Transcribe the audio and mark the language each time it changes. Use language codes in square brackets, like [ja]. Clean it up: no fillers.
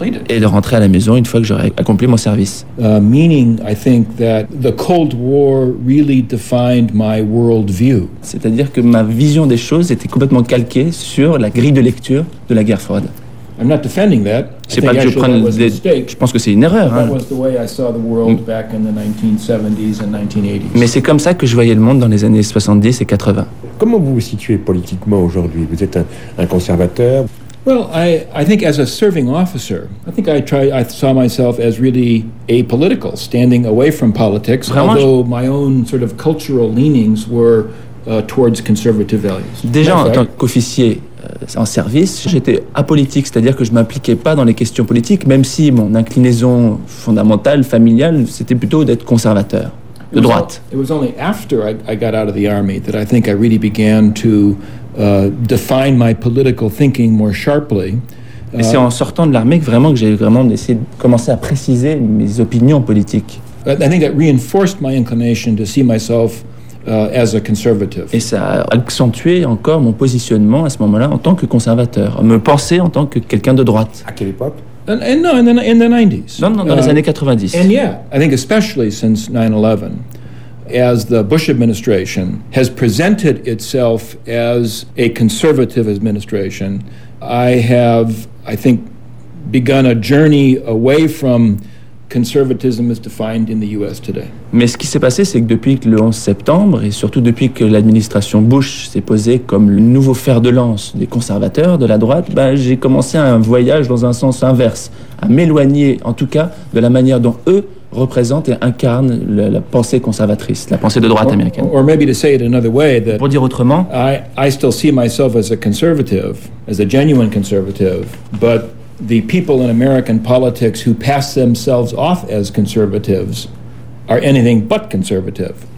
[fr] Et de rentrer à la maison une fois que j'aurai accompli mon service. [en] Meaning, I think that the Cold War really defined my worldview. [fr] C'est-à-dire que ma vision des choses était complètement calquée sur la grille de lecture de la guerre froide. [en] I'm not defending that. [fr] C'est pas que je prenne des. Je pense que c'est une erreur. [en] That was the way I saw the world back in the 1970s and 1980s. [fr] Mais c'est comme ça que je voyais le monde dans les années 70 et 80. Comment vous vous situez politiquement aujourd'hui? Vous êtes un conservateur? [en] Well, I think as a serving officer, I think I saw myself as really apolitical, standing away from politics, [fr] vraiment, [en] although my own sort of cultural leanings were towards conservative values. [fr] Déjà, en tant qu'officier en service, j'étais apolitique, c'est-à-dire que je m'impliquais pas dans les questions politiques, même si mon inclinaison fondamentale, familiale, c'était plutôt d'être conservateur, de droite. [en] It was only after I got out of the army that I think I really began to define my political thinking more sharply. [fr] Et c'est en sortant de l'armée que vraiment que j'ai vraiment essayé de commencer à préciser mes opinions politiques. [en] I think that reinforced my inclination to see myself as a conservative. [fr] Et ça a accentué encore mon positionnement à ce moment-là en tant que conservateur, me penser en tant que quelqu'un de droite. À quelle époque? [en] In the 90s. [fr] Non, dans les années 90. [en] And yeah, I think especially since 9/11. As the Bush administration has presented itself as a conservative administration, I think begun a journey away from conservatism as defined in the US today. [fr] Mais ce qui s'est passé, c'est que depuis le 11 septembre et surtout depuis que l'administration Bush s'est posée comme le nouveau fer de lance des conservateurs de la droite, j'ai commencé un voyage dans un sens inverse, à m'éloigner en tout cas de la manière dont eux représente et incarne la pensée conservatrice, la pensée de droite américaine. [en] Or maybe to say it another way, that [fr] pour dire autrement, [en] I still see myself as a conservative, as a genuine conservative, but the people in American politics who pass themselves off as conservatives are anything but conservative.